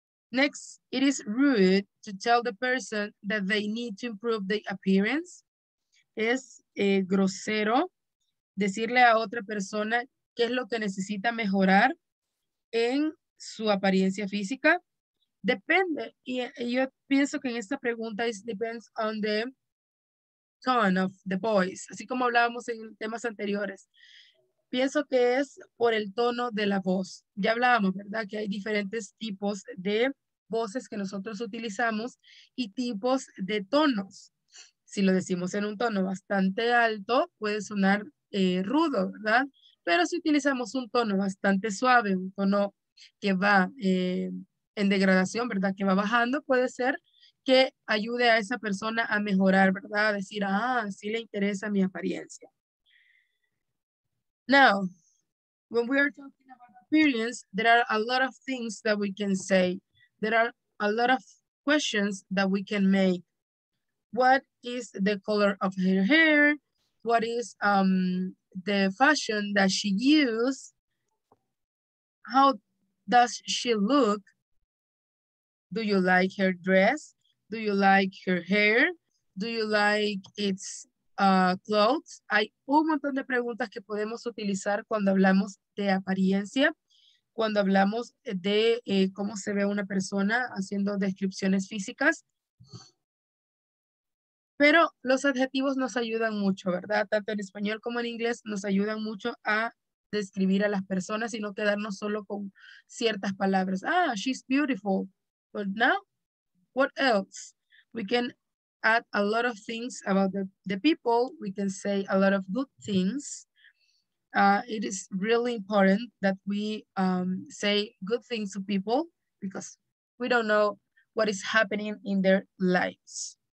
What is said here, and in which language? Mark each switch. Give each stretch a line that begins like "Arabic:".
English: Next, it is rude to tell the person that they need to improve their appearance.
Spanish: Es grosero decirle a otra persona qué es lo que necesita mejorar en su apariencia física. Depende, y yo pienso que en esta pregunta es
English: depends on the tone of the voice,
Spanish: así como hablábamos en temas anteriores. Pienso que es por el tono de la voz. Ya hablábamos, ¿verdad? Que hay diferentes tipos de voces que nosotros utilizamos y tipos de tonos. si lo decimos en un tono bastante alto, puede sonar rudo, ¿verdad? Pero si utilizamos un tono bastante suave, un tono que va en degradación, ¿verdad? Que va bajando, puede ser que ayude a esa persona a mejorar, ¿verdad? A decir, ah, sí le interesa mi apariencia.
English: Now, when we are talking about appearance, there are a lot of things that we can say. There are a lot of questions that we can make. What is the color of her hair? What is the fashion that she uses? How does she look? Do you like her dress? Do you like her hair? Do you like its clothes?
Spanish: Hay un montón de preguntas que podemos utilizar cuando hablamos de apariencia, cuando hablamos de cómo se ve una persona haciendo descripciones físicas. Pero los adjetivos nos ayudan mucho, ¿verdad? Tanto en español como en inglés nos ayudan mucho a describir a las personas y no quedarnos solo con ciertas palabras.
English: Ah, she's beautiful. But now, what else? We can add a lot of things about the people. We can say a lot of good things. It is really important that we say good things to people because we don't know what is happening in their lives.